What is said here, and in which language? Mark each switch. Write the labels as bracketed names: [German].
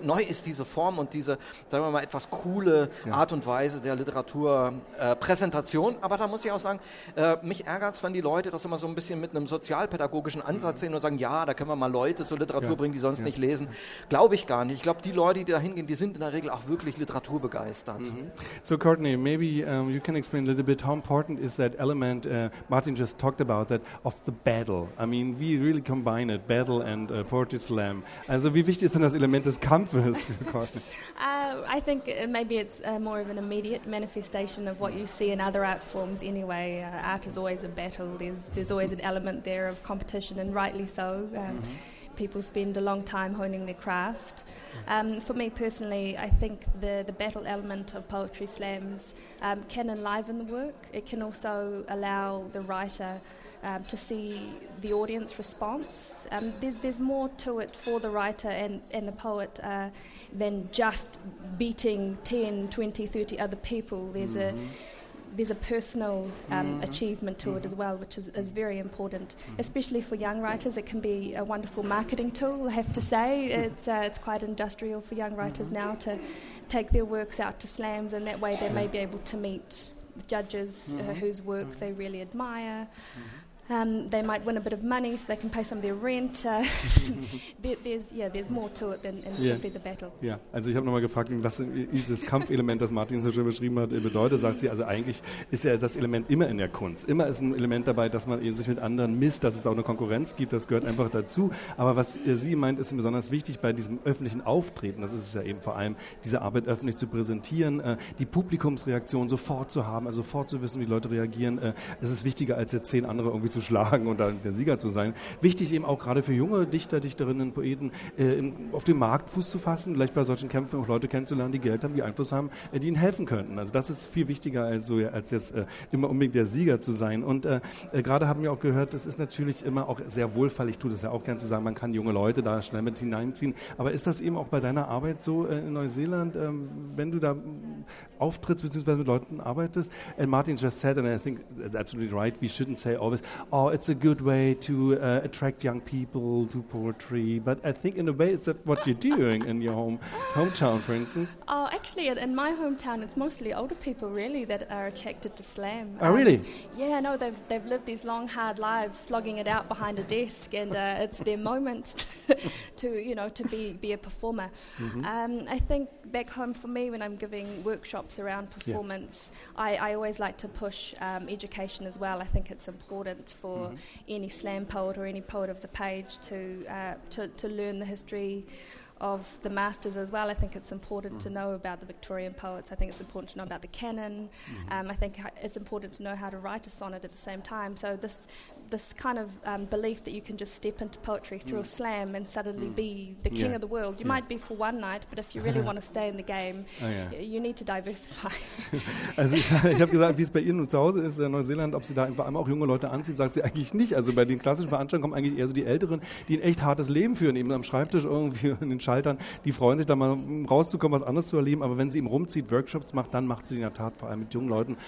[German] Neu ist diese Form und diese, sagen wir mal, etwas coole Art und Weise der Literaturpräsentation. Aber da muss ich auch sagen, mich ärgert es, wenn die Leute das immer so ein bisschen mit einem sozialpädagogischen Ansatz sehen und sagen, ja, da können wir mal Leute zur Literatur bringen, die sonst nicht lesen. Glaube ich gar nicht. Ich glaube, die Leute, die da hingehen, die sind in der Regel auch wirklich literaturbegeistert. Mm-hmm. [English] So, Courtney, maybe you can explain a little bit, how important is that element Martin just talked about, that of the battle. I mean, we really combine it, battle and poetry slam. [German] Also, wie wichtig ist denn das Element des Kampfes für Courtney? [English] I think maybe it's more of an immediate manifestation of what you see in other art forms anyway. Art is always a battle. There's always an element there of competition, and rightly so. people spend a long time honing their craft. For me personally, I think the battle element of poetry slams can enliven the work. It can also allow the writer to see the audience response. There's more to it for the writer and the poet than just beating 10, 20, 30 other people. There's a personal achievement to it as well, which is very important, especially for young writers. It can be a wonderful marketing tool, I have to say. It's quite industrial for young writers now to take their works out to slams, and that way they may be able to meet judges whose work they really admire. They might win a bit of money so they can pay some of their rent. there's more to it than simply the battle. [German] Ja, also ich habe nochmal gefragt, was dieses Kampfelement, das Martin so schön beschrieben hat, bedeutet, sagt sie. Also eigentlich ist ja das Element immer in der Kunst. Immer ist ein Element dabei, dass man sich mit anderen misst, dass es auch eine Konkurrenz gibt, das gehört einfach dazu. Aber was sie meint, ist besonders wichtig bei diesem öffentlichen Auftreten, das ist es ja eben vor allem, diese Arbeit öffentlich zu präsentieren, die Publikumsreaktion sofort zu haben, also sofort zu wissen, wie die Leute reagieren. Es ist wichtiger, als jetzt 10 andere irgendwie zu schlagen und dann der Sieger zu sein. Wichtig eben auch gerade für junge Dichter, Dichterinnen, Poeten, auf dem Markt Fuß zu fassen, vielleicht bei solchen Kämpfen auch Leute kennenzulernen, die Geld haben, die Einfluss haben, die ihnen helfen könnten. Also das ist viel wichtiger als jetzt immer unbedingt der Sieger zu sein. Und gerade haben wir auch gehört, das ist natürlich immer auch sehr wohlfall, ich tue das ja auch gerne zu sagen, man kann junge Leute da schnell mit hineinziehen. Aber ist das eben auch bei deiner Arbeit so in Neuseeland, wenn du da auftrittst, beziehungsweise mit Leuten arbeitest? [English] And Martin just said, and I think that's absolutely right, we shouldn't say always, oh, it's a good way to attract young people to poetry. But I think in a way, it's what you're doing in your hometown, for instance. Oh, actually, in my hometown, it's mostly older people, really, that are attracted to slam. Oh, really? Yeah, no, they've lived these long, hard lives, slogging it out behind a desk, and it's their moment to be a performer. Mm-hmm. I think back home for me, when I'm giving workshops around performance, I always like to push education as well. I think it's important for any slam poet or any poet of the page to learn the history of the masters as well. I think it's important to know about the Victorian poets. I think it's important to know about the canon. Mm-hmm. I think it's important to know how to write a sonnet at the same time. So this kind of belief that you can just step into poetry through a slam and suddenly be the king of the world. You might be for one night, but if you really want to stay in the game, you need to diversify. [German] Also ich habe gesagt, wie es bei Ihnen zu Hause ist in Neuseeland, ob Sie da vor allem auch junge Leute anziehen, sagt sie eigentlich nicht. Also bei den klassischen Veranstaltungen kommen eigentlich eher so die Älteren, die ein echt hartes Leben führen, eben am Schreibtisch irgendwie in den Schaltern. Die freuen sich da mal rauszukommen, was anderes zu erleben. Aber wenn sie eben rumzieht, Workshops macht, dann macht sie in der Tat vor allem mit jungen Leuten.